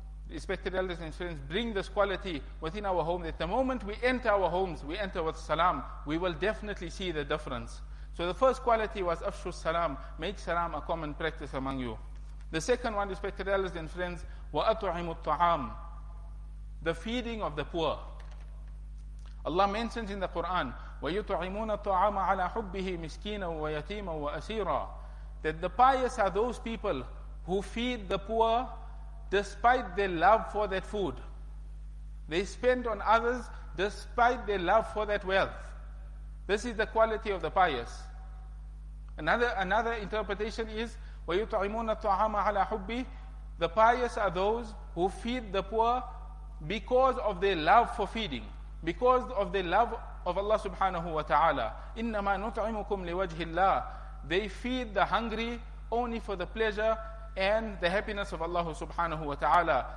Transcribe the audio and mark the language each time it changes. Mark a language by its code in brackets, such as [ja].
[en] Respected elders and friends, bring this quality within our home. That the moment we enter our homes, we enter with salam, we will definitely see the difference. So the first quality was afshu salam, make salam a common practice among you. The second one, respected elders and friends, wa atu'imu ta'am, the feeding of the poor. Allah mentions in the Quran, [ar] وَيُطْعِمُونَ الطَّعَامَ عَلَىٰ حُبِّهِ مِسْكِينًا وَيَتِيمًا وَأَسِيرًا. [en] That the pious are those people who feed the poor despite their love for that food. They spend on others despite their love for that wealth. This is the quality of the pious. Another interpretation is, [ar] وَيُطْعِمُونَ الطَّعَامَ عَلَىٰ حُبِّهِ. [en] The pious are those who feed the poor because of their love for feeding, because of their love of Allah subhanahu wa ta'ala. [ar] إِنَّمَا نُطْعِمُكُمْ لِوَجْهِ اللَّهِ. [en] They feed the hungry only for the pleasure and the happiness of Allah subhanahu wa ta'ala.